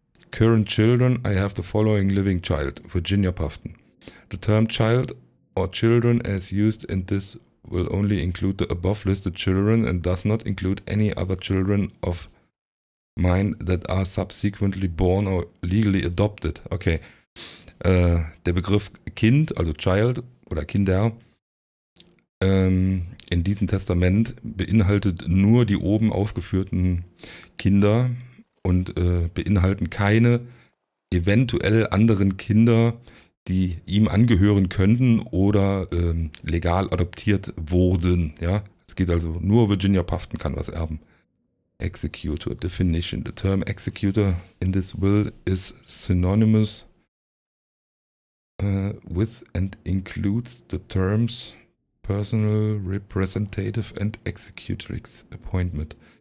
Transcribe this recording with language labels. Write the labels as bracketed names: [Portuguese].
[English] Current children, I have the following living child, Virginia Pufton. The term child or children as used in this will only include the above listed children and does not include any other children of mine that are subsequently born or legally adopted. Okay. [German] Der Begriff Kind, also Child oder Kinder, in diesem Testament beinhaltet nur die oben aufgeführten Kinder und beinhalten keine eventuell anderen Kinder, die ihm angehören könnten oder legal adoptiert wurden. Ja? Es geht also nur Virginia Pufton kann was erben. [English] Executor Definition. The term executor in this will is synonymous with and includes the terms personal representative and executrix appointment.